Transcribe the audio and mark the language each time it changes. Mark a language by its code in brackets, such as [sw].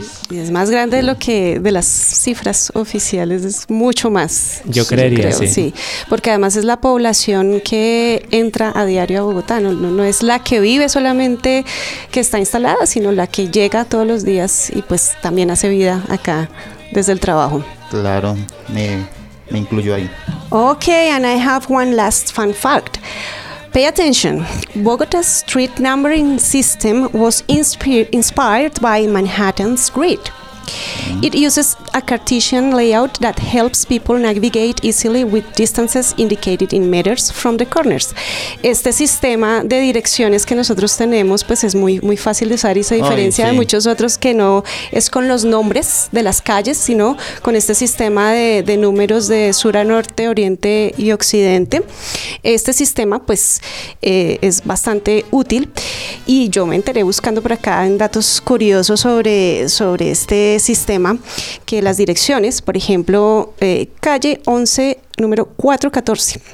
[es] Y es más grande de lo que de las cifras oficiales, es mucho más. Yo creería, creo, sí. Porque además es la población que entra a diario a Bogotá, no es la que vive solamente que está instalada, sino la que llega todos los días y pues también hace vida acá desde el trabajo. Claro, me incluyo ahí. [en] Okay, and I have one last fun fact. Pay attention. Bogota's street numbering system was inspired by Manhattan's grid. It uses a Cartesian layout that helps people navigate easily with distances indicated in meters from the corners. [es] Este sistema de direcciones que nosotros tenemos pues es muy, muy fácil de usar y se diferencia de muchos otros que no es con los nombres de las calles, sino con este sistema de números de sur a norte, oriente y occidente. Este sistema pues es bastante útil y yo me enteré buscando por acá en datos curiosos sobre este sistema, que las direcciones, por ejemplo, calle 11, número 414.